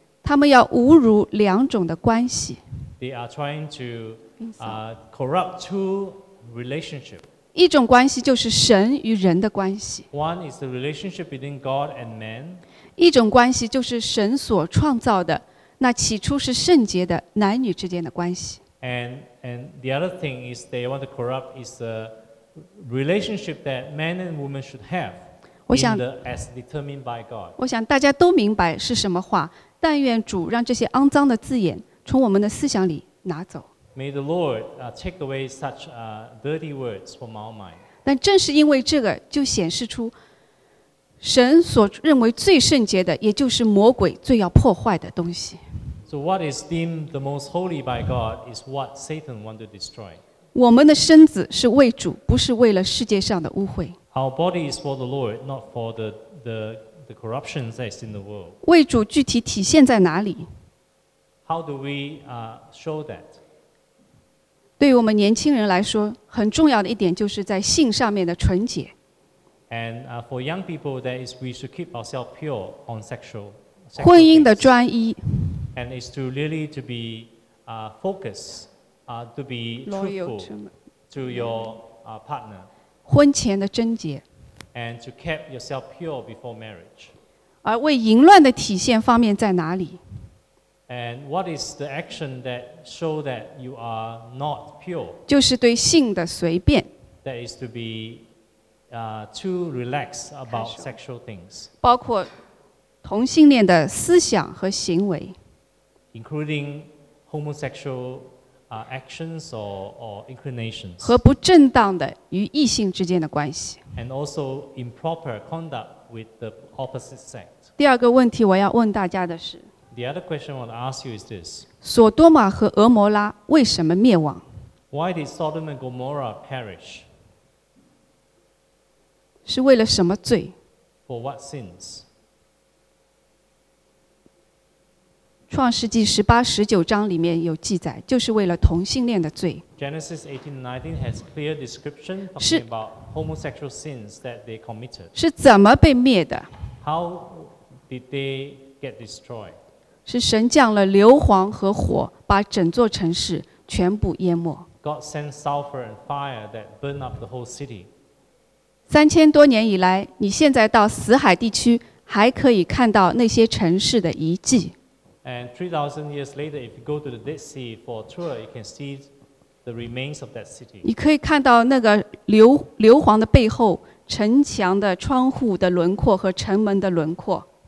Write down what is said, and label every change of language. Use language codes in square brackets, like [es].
[zh] 他们要侮辱两种的关系。 [en] They are trying to corrupt two relationships. [zh] 一种关系就是神与人的关系。 [en] One is the relationship between God and man. [zh] 一种关系就是神所创造的那起初是圣洁的男女之间的关系。 [en] And the other thing is they want to corrupt is the relationship that man and woman should have as determined by God. [zh] 我想大家都明白是什么话，但愿主让这些肮脏的字眼从我们的思想里拿走。 [en] May the Lord take away such dirty words from our mind. [zh] 但正是因为这个，就显示出神所认为最圣洁的，也就是魔鬼最要破坏的东西。 [en] So what is deemed the most holy by God is what Satan wants to destroy. [zh] 我们的身子是为主，不是为了世界上的污秽。 [en] Our body is for the Lord, not for the corruption that's in the world. [zh] 为主具体体现在哪里？ [en] How do we show that? [zh] 对于我们年轻人来说，很重要的一点就是在性上面的纯洁。 [en] And for young people, that is we should keep ourselves pure on sexual. [zh] 婚姻的专一。 [en] And it's to really to be focused, to be truthful to your partner. [zh] 婚前的贞洁。 [en] And to keep yourself pure before marriage. [zh] 而为淫乱的体现方面在哪里？ [en] And what is the action that show that you are not pure? [zh] 就是对性的随便。 [en] That is to be too relaxed about sexual things. [zh] 包括同性恋的思想和行为。 [en] Including homosexual actions or inclinations. [zh] 和不正当的与异性之间的关系。 [en] And also improper conduct with the opposite sex. [zh] 第二个问题我要问大家的是。 [en] The other question I want to ask you is this. [zh] 索多玛和俄摩拉为什么灭亡？ [en] Why did Sodom and Gomorrah perish? [zh] 是为了什么罪？ [en] For what sins? [zh] 创世纪十八十九章里面有记载，就是为了同性恋的罪。 [en] Genesis 18:19 has clear description talking about homosexual sins that they committed. [zh] 是怎么被灭的 [en] ？How did they get destroyed? [zh] 是神降了硫磺和火，把整座城市全部淹没。 [en] God sent sulfur and fire that burned up the whole city. [zh] 3000多年以来，你现在到死海地区，还可以看到那些城市的遗迹。 [en] And 3,000 years later, if you go to the Dead Sea for a tour, you can see the remains of that city. [zh] 你可以看到那个硫磺的背后，城墙的窗户的轮廓和城门的轮廓。